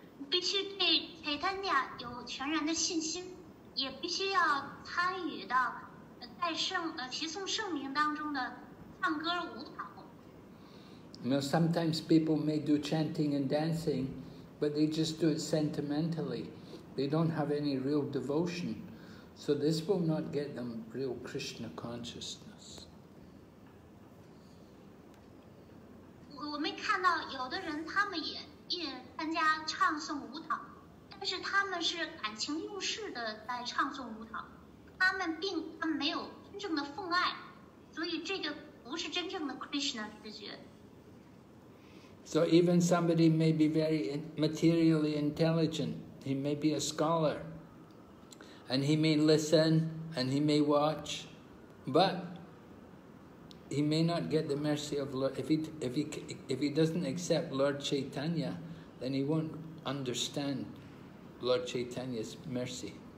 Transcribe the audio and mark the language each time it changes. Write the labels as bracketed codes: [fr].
[zh] 必须对 Chaitanya 有全然的信心，也必须要参与到在圣齐颂圣名当中的唱歌舞蹈。 [en] You know, sometimes people may do chanting and dancing, but they just do it sentimentally. They don't have any real devotion. So this will not get them real Krishna consciousness. [zh] 我们看到有的人他们也参加唱诵舞蹈，但是他们是感情用事的在唱诵舞蹈，他们没有真正的奉爱，所以这个不是真正的 Krishna 知觉。 [en] So even somebody may be very materially intelligent, he may be a scholar, and he may listen and he may watch, but he may not get the mercy of Lord. If he doesn't accept Lord Chaitanya, then he won't understand Lord Chaitanya's mercy.